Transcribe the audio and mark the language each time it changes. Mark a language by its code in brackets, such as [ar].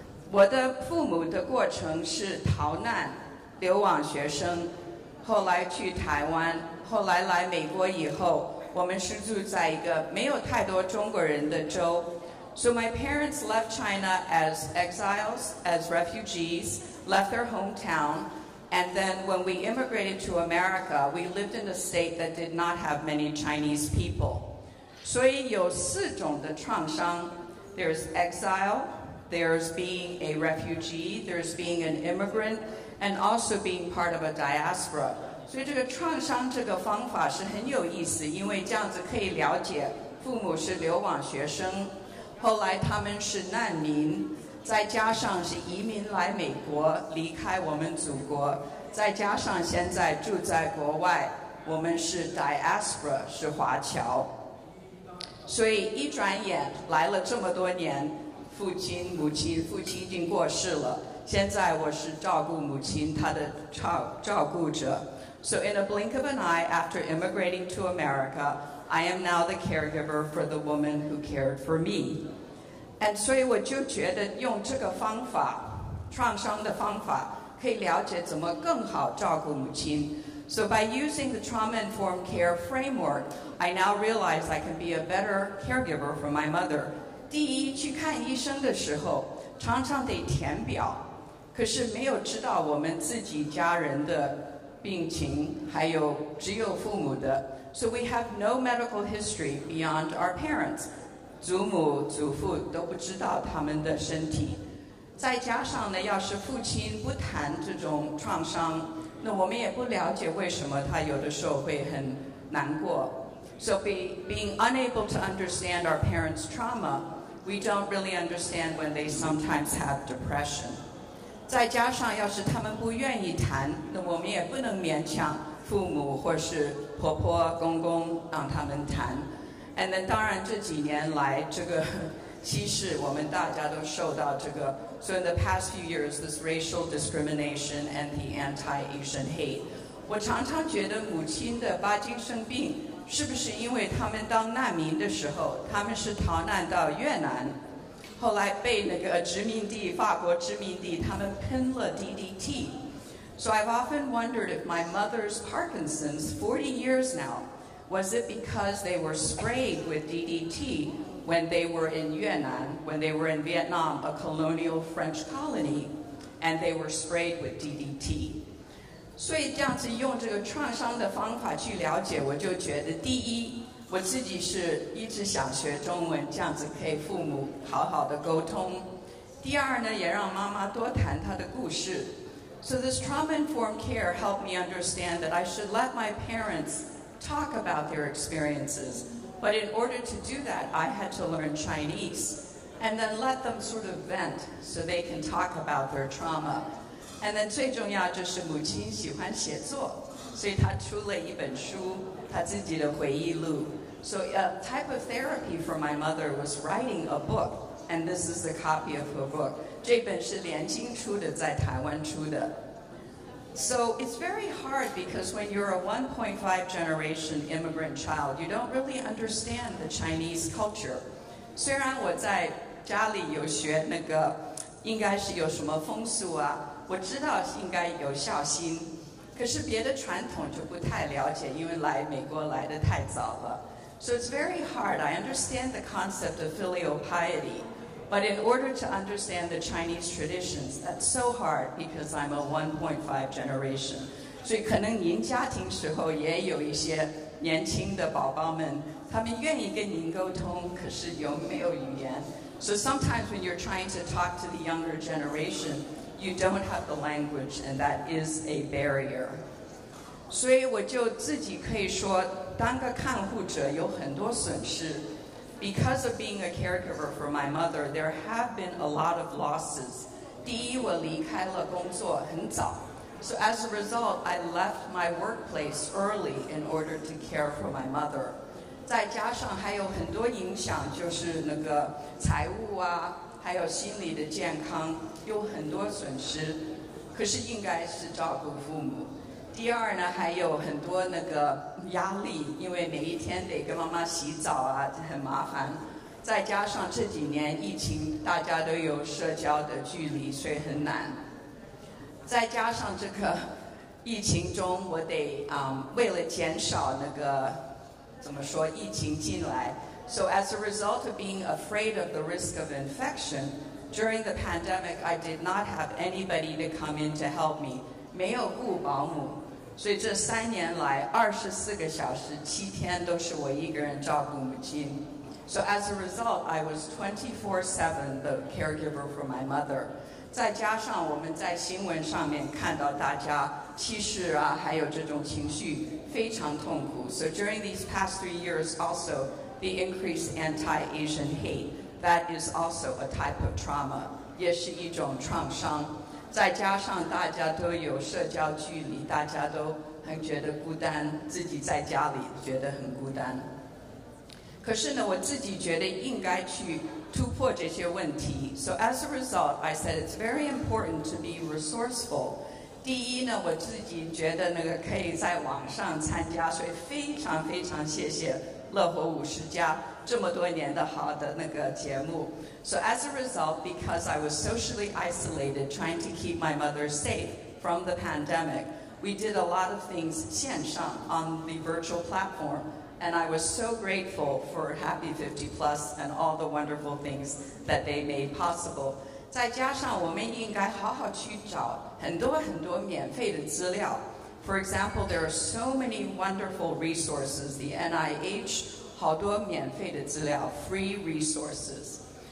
[zh] 我的父母的过程是逃难、流亡学生，后来去台湾，后来来美国以后，我们是住在一个没有太多中国人的州。 [en] So my parents left China as exiles, as refugees, left their hometown,And then when we immigrated to America, we lived in a state that did not have many Chinese people. [zh] 所以有四种的创伤。 [en] There's exile, there's being a refugee, there's being an immigrant, and also being part of a diaspora. [zh] 所以这个创伤这个方法是很有意思，因为这样子可以了解父母是流亡学生，后来他们是难民。再加上是移民来美国，离开我们祖国，再加上现在住在国外，我们是 diaspora, 是华侨。所以一转眼来了这么多年，父亲、母亲，父亲已经过世了，现在我是照顾母亲，她的照顾者。 [en] So in a blink of an eye, after immigrating to America, I am now the caregiver for the woman who cared for me. [zh] And 所以我就觉得用这个方法，创伤的方法，可以了解怎么更好照顾母亲。 [en] So by using the trauma-informed care framework, I now realize I can be a better caregiver for my mother. [zh] 第一，去看医生的时候，常常得填表，可是没有知道我们自己家人的病情，还有只有父母的。 [en] So we have no medical history beyond our parents. [zh] 祖母、祖父都不知道他们的身体。再加上呢，要是父亲不谈这种创伤，那我们也不了解为什么他有的时候会很难过。 [en] So being unable to understand our parents' trauma, we don't really understand when they sometimes have depression. [zh] 再加上要是他们不愿意谈，那我们也不能勉强父母或是婆婆公公让他们谈。 [en] And then [zh] 当然这几年来这个歧视我们大家都受到这个。 [en] So in the past few years, this racial discrimination and the anti-Asian hate. [zh] 我常常觉得母亲的巴金森病是不是因为他们当难民的时候，他们是逃难到越南，后来被那个殖民地，法国殖民地，他们喷了 DDT。 [en] So I've often wondered if my mother's Parkinson's, 40 years now, was it because they were sprayed with DDT when they were in Yunnan, when they were in Vietnam, a colonial French colony, and they were sprayed with DDT. [zh] 所以这样子用这个创伤的方法去了解，我就觉得第一，我自己是一直想学中文，这样子可以父母好好的沟通。第二呢，也让妈妈多谈她的故事。 [en] So this trauma-informed care helped me understand that I should let my parents talk about their experiences. But in order to do that, I had to learn Chinese and then let them sort of vent so they can talk about their trauma. And then [zh] 最重要就是母亲喜欢写作，所以她出了一本书，她自己的回忆录。 [en] So a type of therapy for my mother was writing a book. And this is a copy of her book. [zh] 这本是连经出的，在台湾出的。 [en] So it's very hard because when you're a 1.5 generation immigrant child, you don't really understand the Chinese culture. [zh] 虽然我在家里有学那个，应该是有什么风俗啊，我知道应该有孝心，可是别的传统就不太了解，因为来美国来得太早了。 [en] So it's very hard. I understand the concept of filial piety. But in order to understand the Chinese traditions, that's so hard because I'm a 1.5 generation. [zh] 所以可能您家庭时候也有一些年轻的宝宝们，他们愿意跟您沟通，可是有没有语言？ [en] So sometimes when you're trying to talk to the younger generation, you don't have the language, and that is a barrier. [zh] 所以我就自己可以说，当个看护者有很多损失。 [en] Because of being a caregiver for my mother, there have been a lot of losses. [zh] 第一，我离开了工作很早。 [en] So as a result, I left my workplace early in order to care for my mother. [zh] 再加上还有很多影响，就是那个财务啊，还有心理的健康，有很多损失。可是应该是照顾父母。第二呢，还有很多那个压力，因为每一天得跟妈妈洗澡啊，很麻烦。再加上这几年疫情，大家都有社交的距离，所以很难。再加上这个疫情中，我得为了减少那个怎么说疫情进来。 [en] So as a result of being afraid of the risk of infection, during the pandemic, I did not have anybody to come in to help me. [zh] 没有雇保姆，所以这三年来24小时7天都是我一个人照顾母亲。 [en] So as a result, I was 24/7 the caregiver for my mother. [zh] 再加上我们在新闻上面看到大家歧视啊，还有这种情绪非常痛苦。 [en] So during these past 3 years, also the increased anti-Asian hate, that is also a type of trauma, [zh] 也是一种创伤。再加上大家都有社交距离，大家都很觉得孤单，自己在家里觉得很孤单。可是呢，我自己觉得应该去突破这些问题。 [en] So as a result, I said it's very important to be resourceful. [zh] 第一呢，我自己觉得那个可以在网上参加，所以非常非常谢谢乐活五十家这么多年的好的那个节目。 [en] So as a result, because I was socially isolated, trying to keep my mother safe from the pandemic, we did a lot of things 线上 on the virtual platform, and I was so grateful for Happy 50 Plus and all the wonderful things that they made possible. [zh] 再加上我们应该好好去找很多很多免费的资料， [en] For example, there are so many wonderful resources, the NIH, [zh] 好多免费的资料 [en] free resources.